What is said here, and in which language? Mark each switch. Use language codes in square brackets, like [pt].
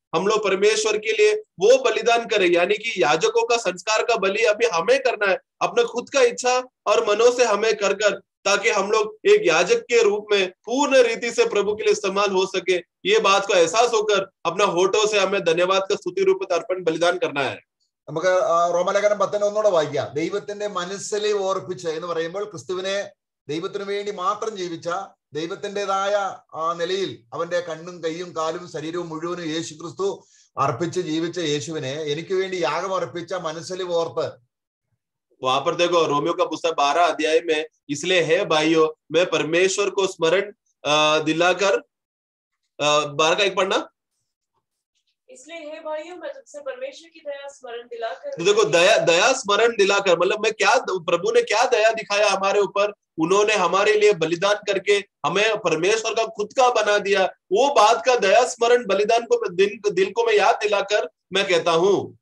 [hi] हम लोग परमेश्वर के लिए वो बलिदान करें यानी कि याजकों का संस्कार का बलि अभी हमें करना है अपने खुद का इच्छा और मनो से हमें कर ताकि हम लोग एक याजक के रूप में पूर्ण रीति से प्रभु के लिए इस्तेमाल हो सके ये बात को एहसास होकर अपना होठों से हमें धन्यवाद का स्तुति रूप अर्पण बलिदान करना है [ml] നമുക്ക് റോമലേഖനം 10:1 വായിക്കുക ദൈവത്തിന്റെ മനസ്സിലെ ഓർപ്പിച്ച് എന്ന് പറയുമ്പോൾ ക്രിസ്തുവിനെ ദൈവത്തിന് വേണ്ടി മാത്രം ജീവിച്ച ദൈവത്തിൻ്റെതായ ആ നിലയിൽ അവന്റെ കണ്ണും കൈയും കാലും ശരീരവും മുഴുവനും യേശു ക്രിസ്തു അർപ്പിച്ച് ജീവിച്ച യേശുവിനെ എനിക്ക് വേണ്ടി യാഗം അർപ്പിച്ച മനസ്സിലെ ഓർപ്പ് [hi] वहां पर देखो रोमियो का पुस्तक 12 अध्याय में इसलिए है भाइयों मैं परमेश्वर को स्मरण दिलाकर 12 का 1 पढ़ना इसलिए है भाइयों मैं तुमसे परमेश्वर की दया स्मरण दिलाकर देखो दया स्मरण दिलाकर मतलब मैं क्या प्रभु ने क्या दया दिखाया हमारे ऊपर उन्होंने हमारे लिए बलिदान करके हमें परमेश्वर का खुद का बना दिया वो बात का दया स्मरण बलिदान को दिल को मैं याद दिलाकर मैं कहता हूँ